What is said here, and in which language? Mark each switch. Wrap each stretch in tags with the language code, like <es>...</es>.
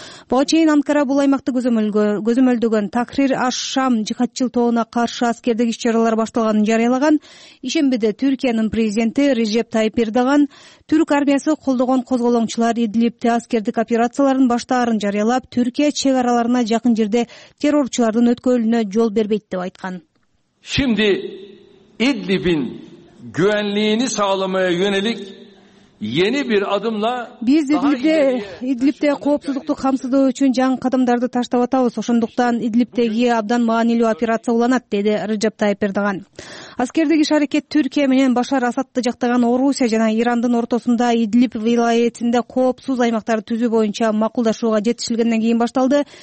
<ky>Буга чейин Анкара бул аймакты көзөмөлдөгөн Такрир аш-Шам жыхатчыл тобуна каршы аскердик иш чаралар башталганын жарыялаган. Ишембиде Түркиянын президенти Режеп Тайип Эрдоган түрк армиясы колдогон козголоңчулар Идлибте аскердик операцияларын баштаарын жарыялап, Түркия чек араларына жакын жерде террорчулардын өткөрүлүүнө жол бербейт деп айткан.</ky> <tr>Şimdi İdlib'in güvenliğini sağlamaya yönelik yeni bir adımla biz İdlib'de</tr> <ky>коопсуздукту камсыздоо үчүн жаңы кадамдарды таштап атабыз. Ошондуктан İdlib'теги абдан маанилүү операция уланат, деди Режеп Тайип Эрдоган. Аскердик иш аракет Түркия менен Башар Асадды жактаган Орусия жана Ирандын ортосунда Идлиб вилоетинде коопсуз аймактарды түзүү боюнча макулдашууга жетишилгенден кийин башталды.</ky>